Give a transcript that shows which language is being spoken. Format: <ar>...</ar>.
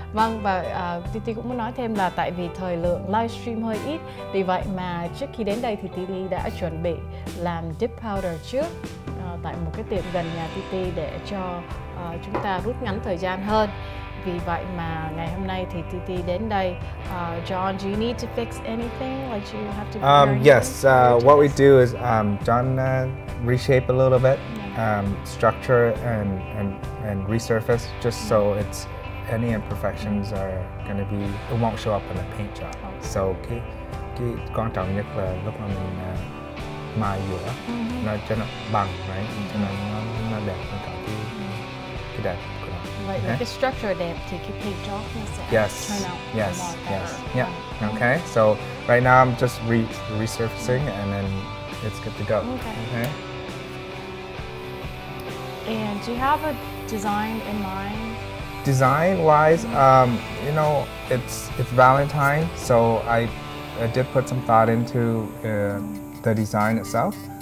<vi>Vâng, và Titi cũng muốn nói thêm là tại vì thời lượng livestream hơi ít, vì vậy mà trước khi đến đây thì Titi đã chuẩn bị làm dip powder trước tại một cái tiệm gần nhà Titi để cho chúng ta rút ngắn thời gian hơn. Vì vậy mà ngày hôm nay thì Titi đến đây.</vi> <en>John, do you need to fix anything? Like you have to. What we do is John reshape a little bit, structure and resurface just so it's any imperfections are gonna be, it won't show up in the paint job. Okay.</en> <vi>So cái quan trọng nhất là lúc mà mình mài vừa nó cho nó bằng, right? Cho nó đẹp hơn cả cái đẹp của nó. Vậy cái structure đẹp thì cái paint job nó sẽ</vi> <en>yes. Yeah. Okay. So right now I'm just resurfacing and then it's good to go. Okay. And do you have a design in mind? Design-wise, you know, it's Valentine, so I did put some thought into the design itself.</en>